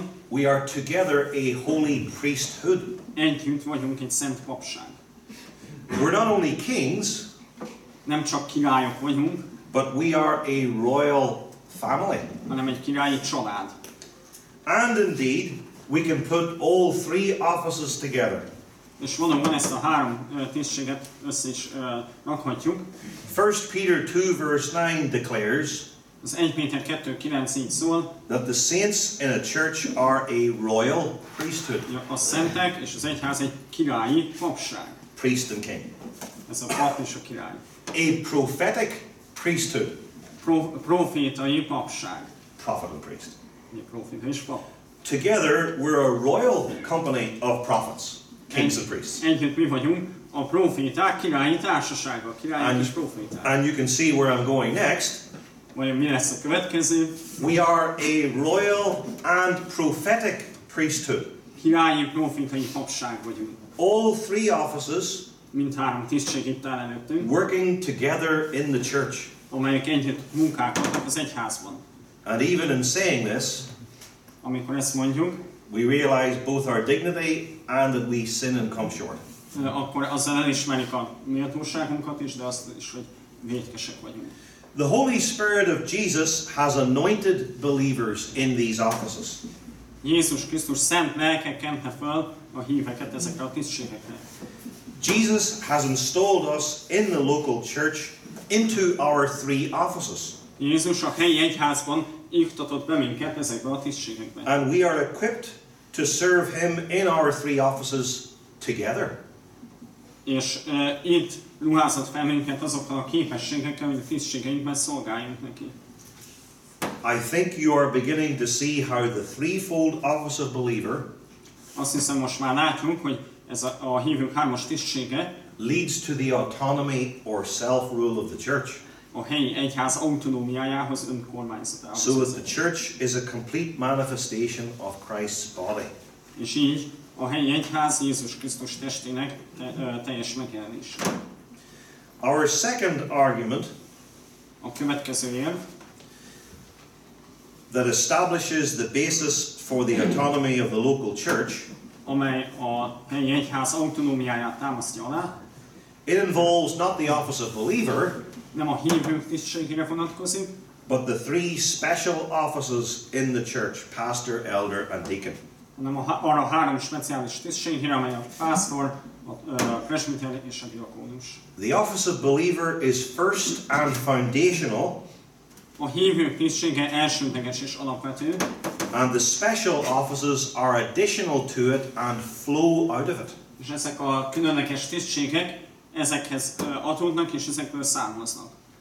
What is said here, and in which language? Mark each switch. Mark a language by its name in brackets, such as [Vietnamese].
[English] We are together a holy priesthood. [Hungarian] Együtt vagyunk egy szent papság. [English] We're not only kings. [Hungarian] Nem csak királyok vagyunk. [English] But we are a royal family. [Hungarian] Hanem egy királyi család. [English] And indeed, we can put all three offices together. [Hungarian] És valóban ezt a három tisztséget össze is rakhatjuk. [English] 1 Peter 2 verse 9 declares. [Hungarian] Az 1 Péter 2:9 így szól. [English] That the saints in a church are a royal priesthood. [Hungarian] Ja, a szentek és az egyház egy királyi papság. [English] Priest and king. [Hungarian] Ez a pap és a király. [English] A prophetic priesthood. [Hungarian] Profétai papság. [English] Prophet and priest. [Hungarian] Profétai. [English] Together we're a royal company of prophets, kings and priests. [Hungarian] Együtt mi vagyunk a proféták királyi társasága, királyi és proféták. [English] And you can see where I'm going next. [Hungarian] Vajon mi lesz a következő? [English] We are a royal and prophetic priesthood. [Hungarian] Királyi profétai papság vagyunk. [English] All three offices, [Hungarian] mint három tisztség itt áll előttünk, [English] working together in the church. [Hungarian] Amelyek együtt munkák adnak az egyházban. [English] And even in saying this, [Hungarian] amikor ezt mondjuk, [English] we realize both our dignity and that we sin and come short. [Hungarian] Akkor azzal elismerik a méltóságunkat is, de azt is, hogy vétkesek vagyunk. [English] The Holy Spirit of Jesus has anointed believers in these offices. [Hungarian] Jézus Krisztus szent lelke kente fel a híveket ezekre a tisztségekre. [English] Jesus has installed us in the local church into our three offices. [Hungarian] Jézus a helyi egyházban iktatott be minket ezekbe a tisztségekbe. [English] And we are equipped to serve him in our three offices together. [Hungarian] És itt ruházott fel minket azokkal a képességekkel, hogy a tisztségeinkben szolgáljunk neki. [English] I think you are beginning to see how the threefold office of believer, [Hungarian] azt hiszem most már látjuk, hogy ez a hívők hármas tisztsége, [English] leads to the autonomy or self-rule of the church. [Hungarian] A helyi egyház autonómiájához, önkormányzatához. [English] So that the church is a complete manifestation of Christ's body. [Hungarian] És így a helyi egyház Jézus Krisztus testének teljes megjelenés. [English] Our second argument, [Hungarian] a következő érv, [English] that establishes the basis for the autonomy of the local church, [Hungarian] amely a helyi egyház autonómiáját támasztja alá, [English] it involves not the office of believer, [Hungarian] nem a hívők tisztségére vonatkozik, [English] but the three special offices in the church, pastor, elder and deacon. [Hungarian] Hanem arra a három speciális tisztségére, amely a pásztor, a presbiter és a diakónus. [English] The office of believer is first and foundational. [Hungarian] A hívő tisztsége elsődleges és alapvető. [English] And the special offices are additional to it and flow out of it. [Hungarian] És ezek a különleges tisztségek ezekhez adódnak és ezekből származnak.